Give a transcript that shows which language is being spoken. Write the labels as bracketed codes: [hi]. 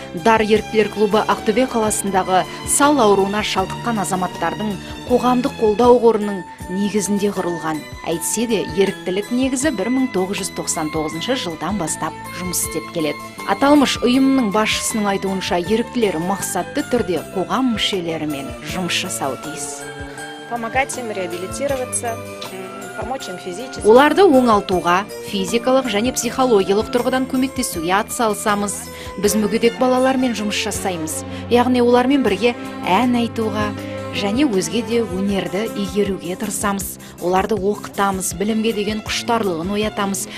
[kk] Дар еріктілер клубы Ақтөбе қаласындағы сал ауруына шалдыққан азаматтардың қоғамдық қолдау қорының негізінде құрылған. Әйтсе де еріктілік негізі 1999 жылдан бастап жұмыс істеп келеді. Аталмыш ұйымның басшысының айтуынша, еріктілер мақсатты түрде қоғам мүшелерімен жұмыс жасау тиіс. [ru] Помогать им реабилитироваться, помочь им физически. [kk] Оларды оңалтуға, физикалық және психологиялық тұрғыдан көмектесуге атсалысамыз. Біз мүгедек балалармен жұмыс жасаймыз. Яғни олармен бірге ән айтуға және өзге де өнерді игеруге тырысамыз. Оларды оқытамыз, білімге деген құштарлығын оятамыз.